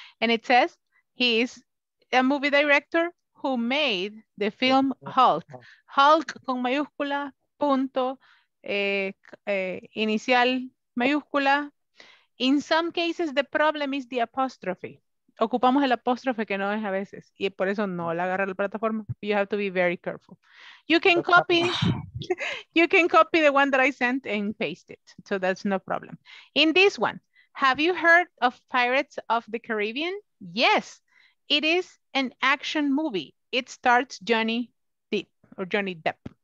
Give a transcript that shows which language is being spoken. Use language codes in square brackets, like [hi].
[en] And it says, he is a movie director who made the film Hulk. [es] Hulk con mayúscula, punto, inicial mayúscula. [en] In some cases, the problem is the apostrophe. [es] Ocupamos el apóstrofe que no es a veces. Y por eso no la agarra la plataforma. [en] You have to be very careful. You can copy the one that I sent and paste it. So that's no problem. In this one, have you heard of Pirates of the Caribbean? Yes. It is an action movie. It starts Johnny Depp.